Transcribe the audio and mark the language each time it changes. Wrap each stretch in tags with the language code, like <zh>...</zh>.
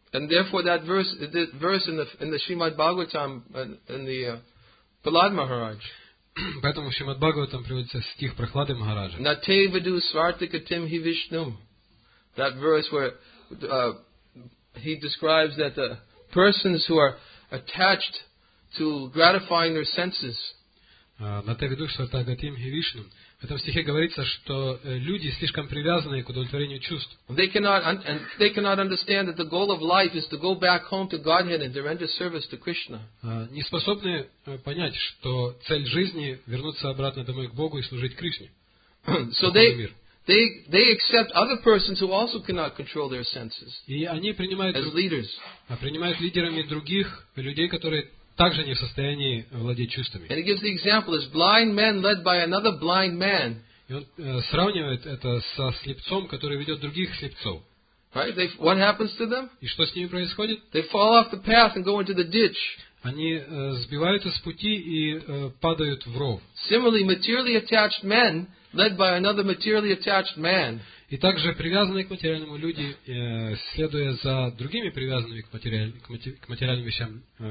<en>And therefore that verse in the Shrimad Bhagavatam in the Prahlad Maharaj.</en> <ru>Поэтому в Шримад Бхагаватам приводится стих Прохлады Махараджа.</ru> <sa>На те веду свартика тим хи вишну.</sa> <en>That verse where he describes that the persons who are attached to gratifying their senses.</en> <sa>На те веду свартика тим хи вишну.</sa> <ru>В этом стихе говорится, что люди слишком привязаны к удовлетворению чувств.</ru> <en>They cannot understand that the goal of life is to go back home to Godhead and to render service to Krishna.</en> <ru>Не способны понять, что цель жизни вернуться обратно домой к Богу и служить Кришне.</ru> <en>So they accept other persons who also cannot control their senses.</en> <ru>И они принимают лидерами других людей, которые также не в состоянии владеть чувствами.</ru> <en>And he gives the example as blind men led by another blind man.</en> <ru>И он сравнивает это со слепцом, который ведет других слепцов.</ru> <en>Right? What happens to them?</en> <ru>И что с ними происходит?</ru> <en>They fall off the path and go into the ditch.</en> <ru>Они сбиваются с пути и падают в ров.</ru> <en>Similarly, materially attached men led by another materially attached man.</en> <ru>И также привязанные к материальному люди, следуя за другими привязанными к материальным вещам.</ru>